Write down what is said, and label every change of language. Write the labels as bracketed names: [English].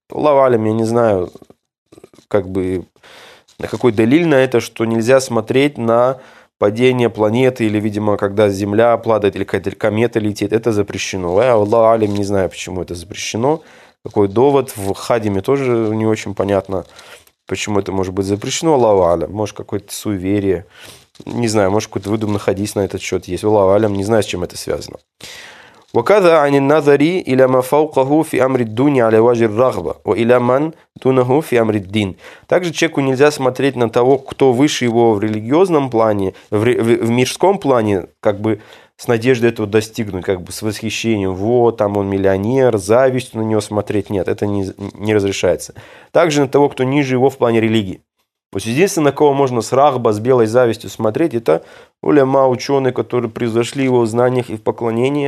[Russian] Аллаху алям, я не знаю, как бы, на какой далиль на это, что нельзя смотреть на падение планеты, или, видимо, когда Земля падает, или какая-то комета летит, это запрещено. Я, Аллаху алям, не знаю, почему это запрещено. Какой довод в хадиме, тоже не очень понятно, почему это может быть запрещено. Аллаху алям, может, какое-то суеверие. Не знаю, может, какой-то выдуманный хадис на этот счет есть. Аллаху алям, не знаю, с чем это связано. [Arabic] وكذا عن النظر الى ما فوقه في امر الدنيا على وجه الرغبه والى من دونه في امر الدين. [Russian] Также человеку нельзя смотреть на того, кто выше его в религиозном плане, в мирском плане, как бы с надеждой этого достигнуть, как бы с восхищением, вот там он миллионер, зависть на него смотреть, нет, это не разрешается. Также на того, кто ниже его в плане религии. То есть единственное, на кого можно с рахба, с белой завистью смотреть, это улема, ученые, которые превзошли его в знаниях и в поклонении.